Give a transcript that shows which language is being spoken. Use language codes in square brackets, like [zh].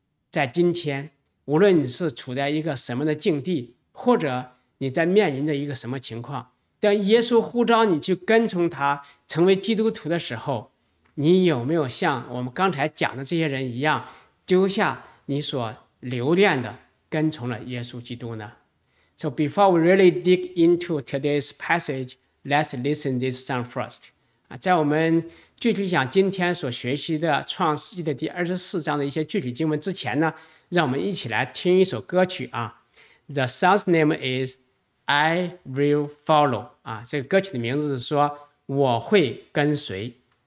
[zh] 在今天，无论你是处在一个什么的境地，或者你在面临着一个什么情况，当耶稣呼召你去跟从他，成为基督徒的时候，你有没有像我们刚才讲的这些人一样，丢下你所留恋的，跟从了耶稣基督呢？ [en] So before we really dig into today's passage, let's listen to this song first. [zh] 在我们具体讲今天所学习的创世纪的第24章的一些具体经文之前呢，让我们一起来听一首歌曲啊。 [en] The song's name is I Will Follow. [zh] 啊，这个歌曲的名字是说我会跟随。